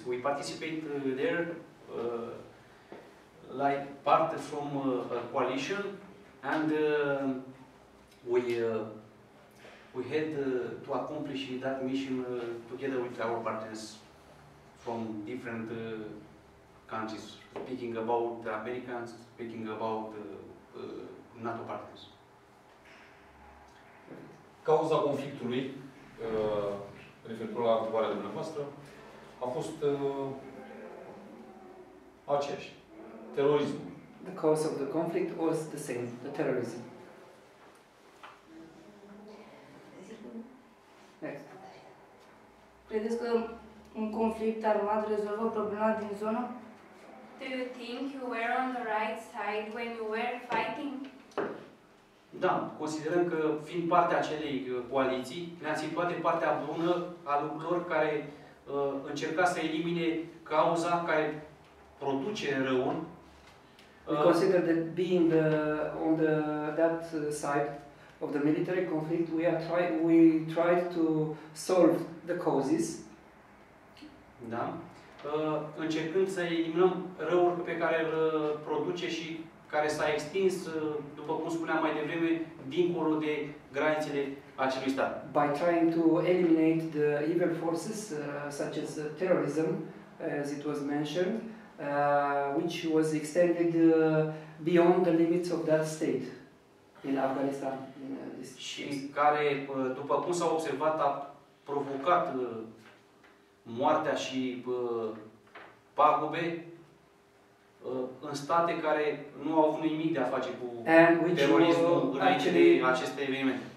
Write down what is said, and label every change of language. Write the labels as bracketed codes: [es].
[en] We participate there like part from a coalition, and we had to accomplish that mission together with our partners from different countries, speaking about the Americans, speaking about NATO partners. [ro] Cauza conflictului, referitor la întrebarea dumneavoastră, a fost aceeași. Terorism. [en] The cause of the conflict was the same, the terrorism. Next. [ro] Credeți că un conflict armat rezolvă problema din zonă? [en] Do you think you were on the right side when you were fighting? [ro] Da, considerăm că fiind partea acelei coaliții, ne-a situat de partea bună a lucrurilor care încerca să elimine cauza care produce răul. [en] We consider that being the, on the that side of the military conflict, we tried to solve the causes. [ro] Da. Încercând să eliminăm răul pe care îl produce și care s-a extins, după cum spuneam mai devreme, dincolo de granițele acelui stat. [en] By trying to eliminate the evil forces such as terrorism, as it was mentioned, which was extended beyond the limits of that state in Afghanistan. [ro] Și care, după cum s-a observat, a provocat moartea și pagube în state care nu au avut nimic de a face cu terorismul înainte de aceste evenimente.